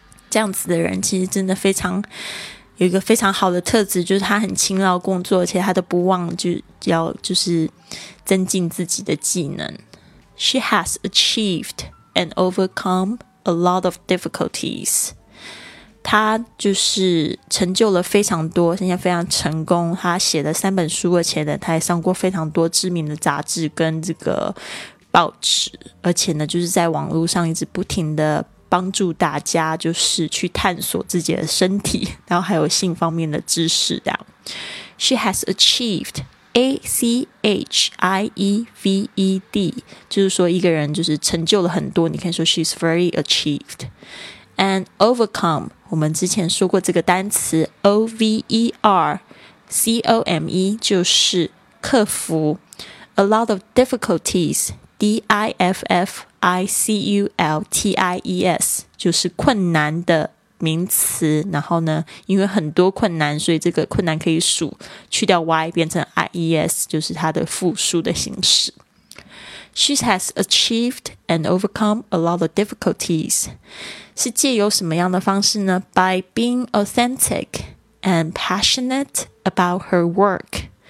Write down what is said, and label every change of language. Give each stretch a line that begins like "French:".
Chinese: 这样子的人其实真的非常有一个非常好的特质，就是她很勤劳工作，而且她都不忘就要就是增进自己的技能。
English: She has achieved and overcome a lot of difficulties。
Chinese: 他就是成就了非常多，现在非常成功，他写了三本书，而且呢他还上过非常多知名的杂志跟这个报纸，而且呢就是在网络上一直不停的帮助大家就是去探索自己的身体，然后还有性方面的知识这样。
English: She has achieved
Chinese: A-C-H-I-E-V-E-D， 就是说一个人就是成就了很多，你可以说
English: She's very achievedAnd overcome，
Chinese: 我们之前说过这个单词 O-V-E-R-C-O-M-E 就是克服。
English: A lot of difficulties，
Chinese: D-I-F-F-I-C-U-L-T-I-E-S 就是困难的名词，然后呢因为很多困难，所以这个困难可以数去掉 Y 变成 I-E-S， 就是它的复数的形式。
English: She has achieved and overcome a lot of difficulties.
Chinese: 是借由什么样的方式呢？
English: By being authentic and passionate about her work.